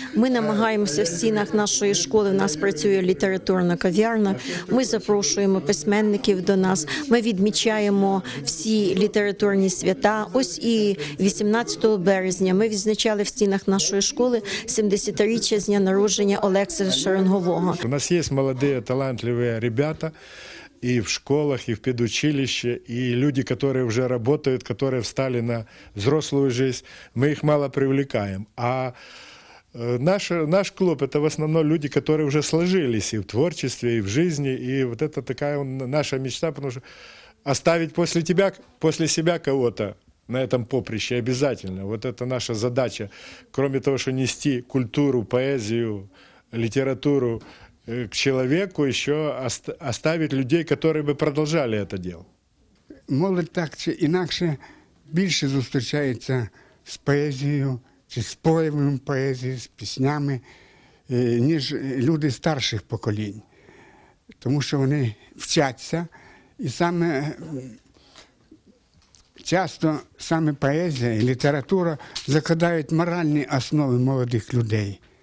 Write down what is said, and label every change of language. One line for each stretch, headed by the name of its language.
Ukrainian: Ми намагаємося в стінах нашої школи, в нас працює літературна кав'ярна, ми запрошуємо письменників до нас, ми відмічаємо всі літературні свята. Ось і 18 березня ми відзначали в стінах нашої школи 70-річчя з дня народження Олекса Шарангового. У нас є молоді, талантливі ребята.
Russian: И в школах, и в педучилище, и люди, которые уже работают, которые встали на взрослую жизнь, мы их мало привлекаем. А наш клуб – это в основном люди, которые уже сложились и в творчестве, и в жизни. И вот это такая наша мечта, потому что оставить после себя кого-то на этом поприще обязательно. Вот это наша задача, кроме того, что нести культуру, поэзию, литературу, к человеку еще оставить людей, которые бы продолжали это дело.
Ukrainian: Молодь так чи інакше більше зустрічається з поезією, чи з поєвами поезії, з піснями, ніж люди старших поколінь. Тому що вони вчаться, і саме часто саме поезія і література закладають моральні основи молодих людей.